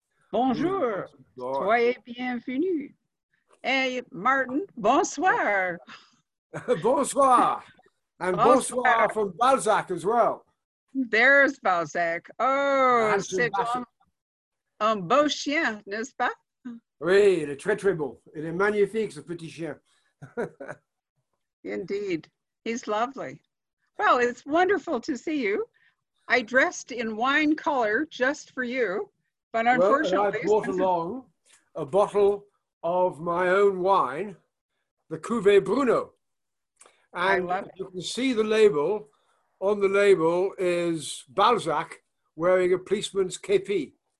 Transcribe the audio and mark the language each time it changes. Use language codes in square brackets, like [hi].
[fr] Bonjour, soyez bienvenus. Hey, Martin, bonsoir. Bonsoir. [en] And bonsoir from Balzac as well. There's Balzac. [fr] Oh, c'est un beau chien, n'est-ce pas? Oui, il est très, très beau. Il est magnifique, ce petit chien. [en] Indeed. He's lovely. Well, it's wonderful to see you. I dressed in wine color just for you. But unfortunately, well, I brought along a bottle of my own wine, the Cuvée Bruno. And you can see the label. On the label is Balzac wearing a policeman's képi.